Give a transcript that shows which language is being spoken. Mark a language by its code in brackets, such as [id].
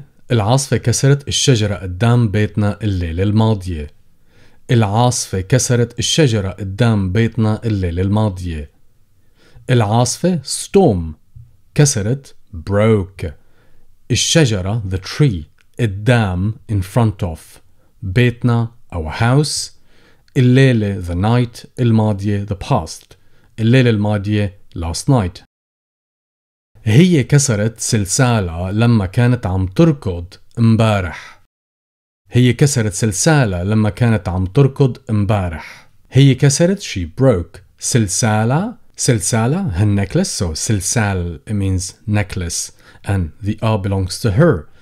[ar] العاصفة كسرت الشجرة قدام بيتنا الليلة الماضية. العاصفة كسرت الشجرة قدام بيتنا الليلة الماضية. العاصفة, [en] storm, [ar] كسرت, [en] broke, [ar] الشجرة, [en] the tree, [ar] قدام, [en] in front of, [ar] بيتنا, [en] our house, [ar] الليلة, [en] the night, [ar] الماضية, [en] the past, [ar] الليلة الماضية, [en] last night. [ar] هي كسرت سلسالة لما كانت عم تركض امبارح. هي كسرت سلسالة لما كانت عم تركض امبارح. هي كسرت, [en] she broke, [ar] سلسالة. سلسالة, [en] her necklace, so سلسال means necklace, and the R belongs to her.